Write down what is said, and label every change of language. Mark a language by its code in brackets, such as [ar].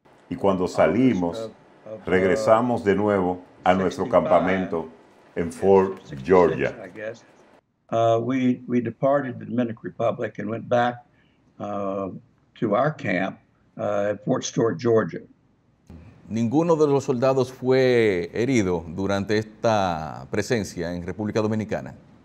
[es] Y cuando salimos, regresamos de nuevo a nuestro campamento en Fort Georgia. [en] We departed the Dominican Republic and went back to our camp at Fort Stewart, Georgia. [es] ¿Ninguno de los soldados fue herido durante esta presencia en República Dominicana?